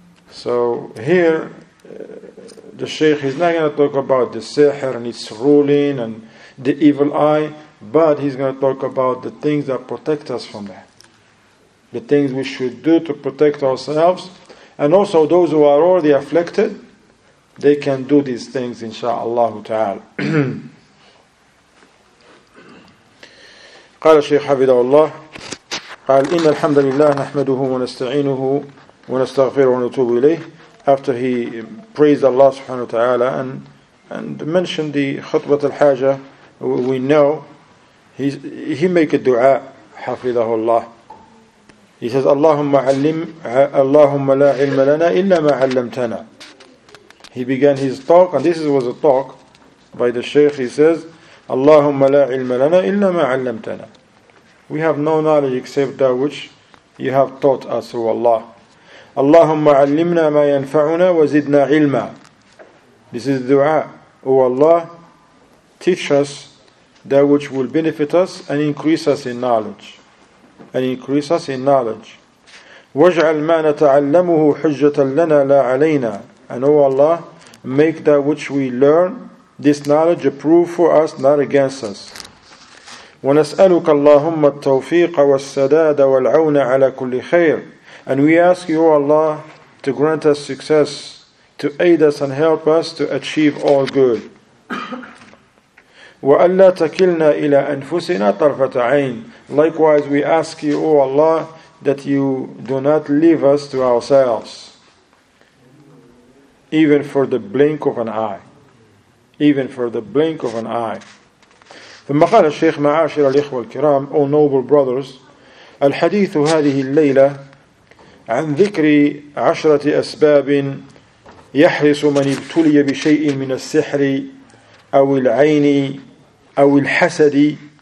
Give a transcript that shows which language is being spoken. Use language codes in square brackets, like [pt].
[en] So here, the Shaykh is not going to talk about the sihr and its ruling and the evil eye, but he's going to talk about the things that protect us from that. The things we should do to protect ourselves. And also those who are already afflicted, they can do these things, insha'Allah ta'ala. [ar] قال الشيخ حفظه الله قال إن الحمد لله نحمده ونستعينه ونستغفره ونتوب إليه. [en] After he praised Allah subhanahu wa ta'ala and mentioned the khutbat al-haja, we know, he make a dua, hafidhahu Allah. He says, [ar] Allahumma allim, Allahumma la ilma lana illa ma allamtana. [en] He began his talk, and this was a talk by the Shaykh. He says, [ar] Allahumma la ilma lana illa ma allamtana. [en] We have no knowledge except that which you have taught us, O Allah. [ar] اللهم علمنا ما ينفعنا وزدنا علما. [en] This is dua. O Allah, teach us that which will benefit us and increase us in knowledge. And increase us in knowledge. [ar] واجعل ما نتعلمه حجة لنا لا علينا. [en] And O Allah, make that which we learn, this knowledge, a proof for us, not against us. [ar] ونسألك اللهم التوفيق والسداد والعون على كل خير. [en] And we ask you, O Allah, to grant us success, to aid us and help us to achieve all good. [ar] وَأَلَّا تَكِلْنَا إِلَىٰ أَنفُسِنَا طَرْفَةَ عَيْنٍ. [en] Likewise, we ask you, O Allah, that you do not leave us to ourselves, even for the blink of an eye. Even for the blink of an eye. [ar] ثم قال الشيخ معاشر الإخوة الكرام, [en] O noble brothers, [ar] الحديث هذه الليلة عن ذكر عشرة أسباب يحرص من ابتلي بشيء من السحر أو العين أو الحسد